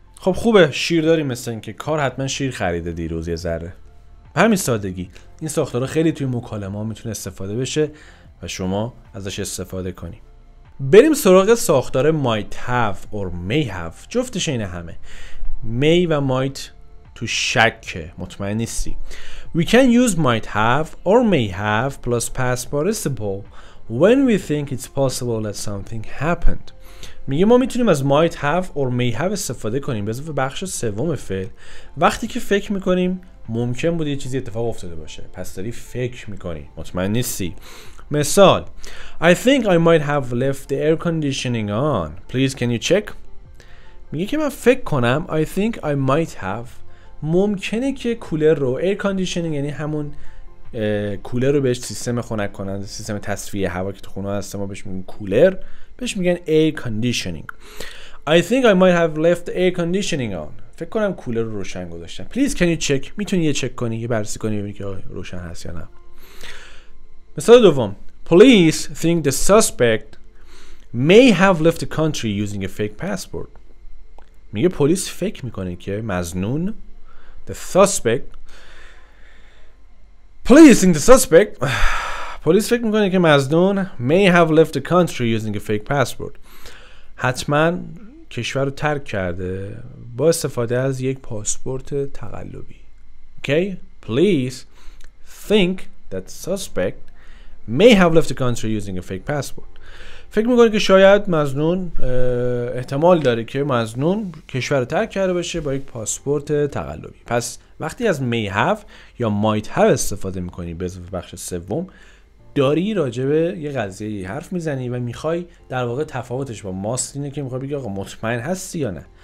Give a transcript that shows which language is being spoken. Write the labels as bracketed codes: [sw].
[fa] خب خوبه شیر داری، مثل این که کار حتما شیر خریده دیروز یه ذره. همین سادگی. این ساختارا خیلی توی مکالمه ها میتونه استفاده بشه و شما ازش استفاده کنی. بریم سراغ ساختار [en] might have or may have. [fa] جفتش اینه همه. may و might تو شکه، مطمئن نیستی. [en] We can use might have or may have plus past participle when we think it's possible that something happened. [fa] میگه ما میتونیم از [en] might have or may have [fa] استفاده کنیم به اضافه بخش سوم فعل وقتی که فکر میکنیم ممکن بود یه چیزی اتفاق افتاده باشه. پس داری فکر میکنی، مطمئن نیستی. مثال [en] I think I might have left the air conditioning on. Please can you check. [fa] میگه که من فکر کنم [en] I think I might have، [fa] ممکنه که کولر رو، air conditioning یعنی همون کولر رو بهش سیستم خنک کننده، سیستم تصفیه هوا که تو خونه هست ما بهش میگن کولر، بهش میگن air conditioning. [en] I think I might have left the air conditioning on. [fa] فکر کنم کولر رو روشن گذاشتم. [en] Please can you check. [fa] میتونی یه چک کنی، یه بررسی کنی ببینی که روشن هست یا نه. مثال دوم [en] Police think the suspect may have left the country using a fake passport. [fa] میگه پلیس فکر میکنه که مزنون، [en] the suspect. Police think the suspect. [fa] پلیس فکر میکنه که مزنون [en] may have left the country using a fake passport. [fa] حتما کشور رو ترک کرده با استفاده از یک پاسپورت تقلبی. [en] Okay, please think that suspect may have left the country using a fake passport. [fa] فکر میکنه که شاید مزنون، احتمال داره که مزنون کشور رو ترک کرده باشه با یک پاسپورت تقلبی. پس وقتی از may have یا might have استفاده میکنی به بخش سوم، داری راجبه یه قضیه یه حرف میزنی و میخوای در واقع تفاوتش با ماست اینه که میخوای بگی آقا مطمئن هستی یا نه.